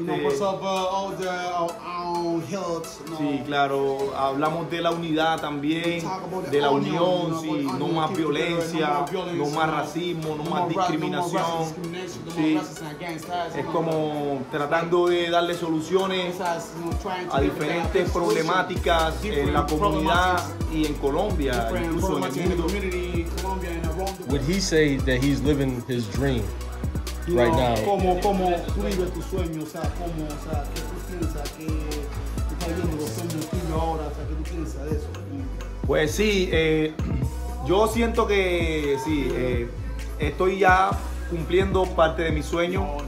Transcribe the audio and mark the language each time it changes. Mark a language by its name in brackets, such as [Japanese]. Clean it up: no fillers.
[English] You know, because of our health, you know. [Spanish] Sí, claro. Hablamos de la unidad también, de la unión, sí. No más violencia, no más racismo, no más discriminación. Sí. Es como tratando de darle soluciones a diferentes problemáticas en la comunidad y en Colombia, incluso en el mundo. [English] Would he say that he's living his dream right now? [Spanish] Como, como tú vives tu sueño, o sea, como, o sea, que tú piensas, que tú estás viviendo los sueños tuyos ahora, o sea, que tú piensas de eso. Pues sí, yo siento que sí, estoy ya cumpliendo parte de mi sueño.